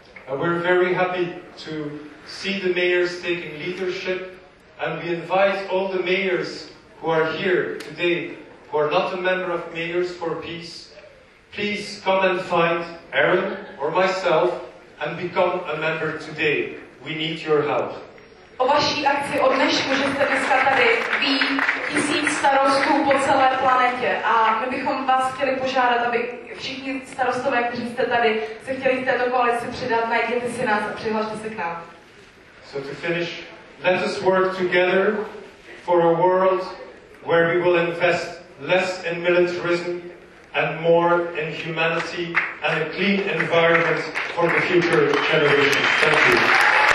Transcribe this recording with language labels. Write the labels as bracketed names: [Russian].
[English] We're very happy to see the mayors taking leadership, and we invite all the mayors who are here today, who are not a member of Mayors for Peace, please come and find Aaron or myself and become a member today. We need your help. [Czech] O vaší akci od dnešku, že jste dneska tady, ví tisíc starostů po celé planetě a my bychom vás chtěli požádat, aby všichni starostové, kteří jste tady, se chtěli z této koalice přidat, najděte si nás a přihlašte se k nám. [English] So to finish, let us work together for a world where we will invest less in militarism and more in humanity and a clean environment for the future generations. Thank you.